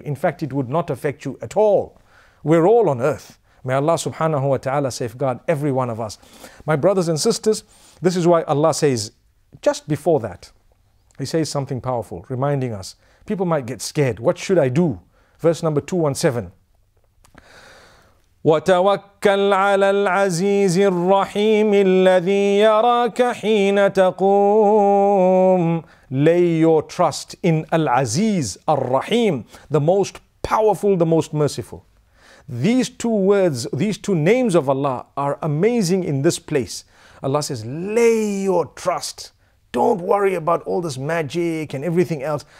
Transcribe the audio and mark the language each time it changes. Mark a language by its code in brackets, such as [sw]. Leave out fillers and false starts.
[en] In fact, it would not affect you at all. We're all on earth. May Allah subhanahu wa ta'ala safeguard every one of us. My brothers and sisters, this is why Allah says, just before that, He says something powerful, reminding us. People might get scared. What should I do? Verse number 217. [ar] وتوكل على العزيز الرحيم الذي يراك حين تقوم. [en] Lay your trust in Al-Aziz Ar-Rahim, the most powerful, the most merciful. These two words, these two names of Allah are amazing in this place. Allah says, lay your trust. Don't worry about all this magic and everything else.